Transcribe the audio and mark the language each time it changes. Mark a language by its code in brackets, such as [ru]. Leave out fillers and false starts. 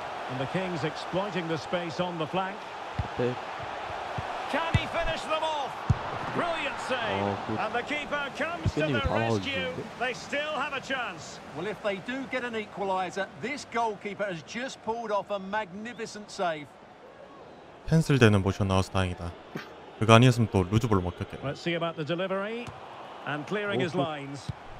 [en] And the Kings exploiting the space on the flank. Can he finish them off? Brilliant save. And the keeper comes to the rescue. They still have a chance. Well, if they do get an equalizer, this goalkeeper has just pulled off a magnificent save. [ko] 펜슬 대는 모션 나와서 다행이다. 그거 아니었으면 또 루즈볼 먹혔겠네. [en] Let's see about the delivery and clearing his lines.